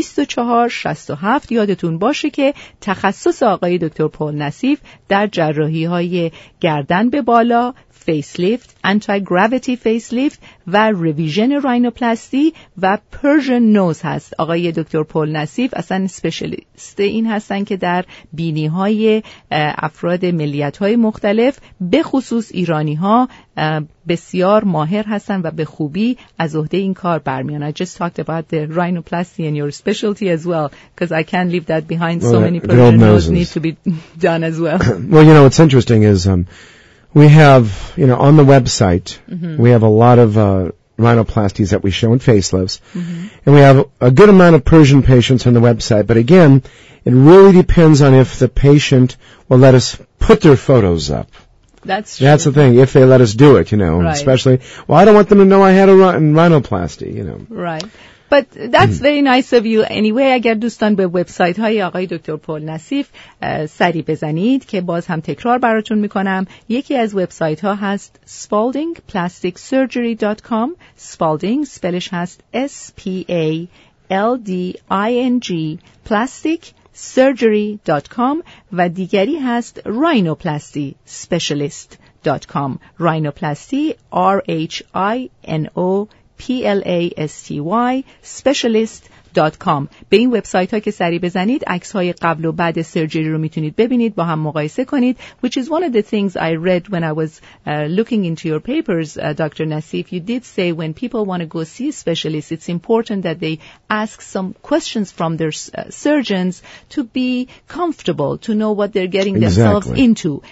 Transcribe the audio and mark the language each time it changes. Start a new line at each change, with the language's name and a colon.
Persian: 310-275-2467 یادتون باشه که تخصص آقای دکتر پل نصیف در جراحی های گردن به بالا، فیسلیفت، انتی گراویتی فیسلیفت و ریویژن راینوپلاستی و پرژن نوز هست. آقای دکتر پل نصیف اصلا سپیشلیست این هستن که در بینی های افراد ملیت های مختلف به خصوص ایرانی ها بسیار ماهر هستن و به خوبی از عهده این کار برمیان.
English: I just talked about the rhinoplasty and your specialty as well, because I can't leave that behind. Well, so many Persian nose need to be done as well. Well, you know, what's interesting is we have, you know, on the website, mm-hmm. we have a lot of rhinoplasties that we show in facelifts, mm-hmm. and we have a good amount of Persian patients on the website, but again, it really depends on if the patient will let us put their photos up. That's true. That's the thing, if they let us do it, you know, right. especially, well, I don't want them to know I had a rhinoplasty, you know. Right. But that's very nice of you.
Persian: Anyway, اگر دوستان به وبسایت های آقای دکتر پل نصیف سری بزنید که باز هم تکرار براتون میکنم، یکی از وبسایت ها هست spaldingplasticsurgery.com. Spalding spellish هست SPALDING plasticsurgery.com و دیگری هست rhinoplasty specialist.com.
English: rhinoplasty RHINOPLASTY specialist.com.
Persian: به این وبسایت ها که سری بزنید عکس های قبل و بعد سرجری رو میتونید ببینید، با هم مقایسه کنید.
English: Which is one of the things I read when I was looking into your papers, Dr. Nassif. You did say when people want to go see a specialist, it's important that they ask some questions from their surgeons to be comfortable, to know what they're getting exactly. themselves into.